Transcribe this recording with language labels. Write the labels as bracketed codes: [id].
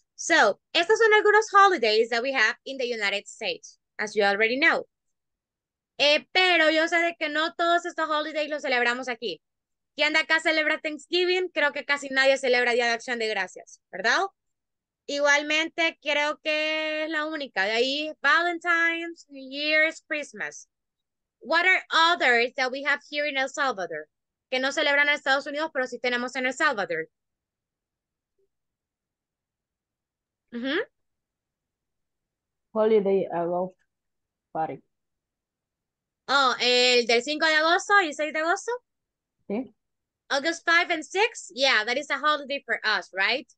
[en] So, [es] estos son algunos [en] holidays that we have in the United States, as you already know. [es] Pero yo sé de que no todos estos holidays los celebramos aquí. ¿Quién de acá celebra Thanksgiving? Creo que casi nadie celebra Día de Acción de Gracias, ¿verdad? Igualmente, creo que es la única. De ahí, Valentine's, New Year's, Christmas. [en] What are others that we have here in El Salvador? [es] Que no celebran en Estados Unidos, pero sí tenemos en El Salvador. Uh-huh. [en] Holiday Agosto Party. [es] Oh, ¿el del 5 de agosto y 6 de agosto? Sí. [en] August 5 and 6? Yeah, that is a holiday for us, right?